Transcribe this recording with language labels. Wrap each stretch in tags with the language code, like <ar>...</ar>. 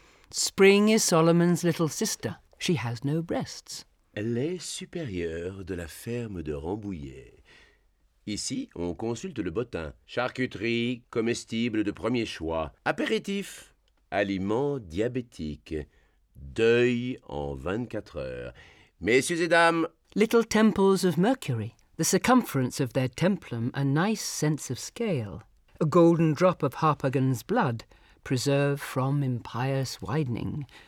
<en>Spring is Solomon's little sister. She has no breasts.</en> <fr>Elle est supérieure de la ferme de Rambouillet. Ici, on consulte le bottin. Charcuterie, comestible de premier choix. Apéritif, aliment diabétique. Deuil en 24 heures. Messieurs et dames...</fr> <en>Little temples of mercury. The circumference of their templum, a nice sense of scale. A golden drop of Harpagon's blood, preserved from impious widening.</en>